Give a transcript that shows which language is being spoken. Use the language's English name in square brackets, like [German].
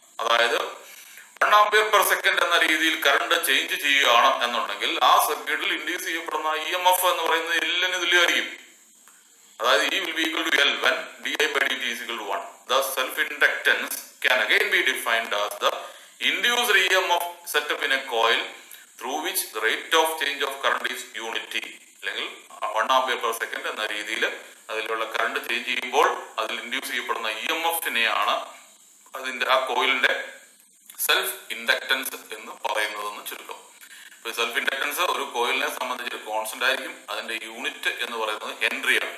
[Malayalam] അതായത് 1 ampere per second എന്ന രീതിയിൽ കറണ്ട് ചേഞ്ച് ചെയ്യുകയാണ് എന്നുണ്ടെങ്കിൽ ആ സർക്യൂട്ടിൽ ഇൻഡ്യൂസ് ചെയ്യപ്പെടുന്ന EMF എന്ന് പറയുന്നത് എല്ലിന് തുല്യമായിരിക്കും. [English] അതായത് E will be equal to L when d I/dt is equal to 1. The self inductance can again be defined as the induced EMF set up in a coil through which the rate of change of current is unity. [Malayalam] അല്ലെങ്കിൽ 1 ampere per second എന്ന രീതിയിൽ അതിലുള്ള current change ചെയ്യുമ്പോൾ അതിൽ induce ചെയ്യപ്പെടുന്ന E M എഫിനെയാണ് അതിന്റെ ആ കോയിലിന്റെ സെൽഫ് ഇൻഡക്ടൻസ് എന്ന് പറയുന്നതെന്ന് ചുരുക്കം. ഇപ്പൊ സെൽഫ് ഇൻഡക്ടൻസ് ഒരു കോയിലിനെ സംബന്ധിച്ച് കോൺസ്റ്റന്റ് ആയിരിക്കും. അതിന്റെ യൂണിറ്റ് എന്ന് പറയുന്നത് ഹെൻറിയാണ്.